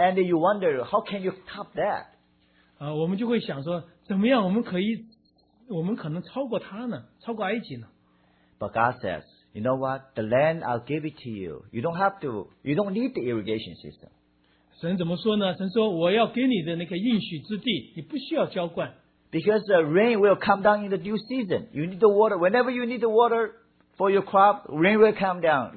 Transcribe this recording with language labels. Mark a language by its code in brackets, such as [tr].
[en] And you wonder, how can you top that? [zh] 我们就会想说,怎么样我们可能超过他呢,超过埃及呢? [en] But God says, you know what? The land I'll give it to you. You don't have to, you don't need the irrigation system. [zh] 神怎么说呢? 神说我要给你的那个应许之地,你不需要浇灌。 [en] Because the rain will come down in the due season. You need the water. Whenever you need the water for your crop, rain will come down.